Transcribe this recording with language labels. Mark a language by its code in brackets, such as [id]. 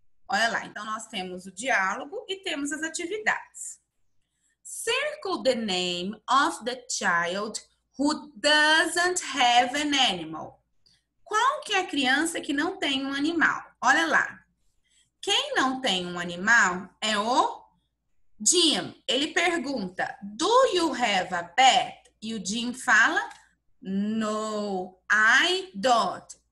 [pt] Olha lá, então nós temos o diálogo e temos as atividades. [en] Circle the name of the child who doesn't have an animal. [pt] Qual que é a criança que não tem um animal? Olha lá. Quem não tem um animal é o Jim. Ele pergunta, [en] do you have a pet? [pt] E o Jim fala, [en] no, I don't.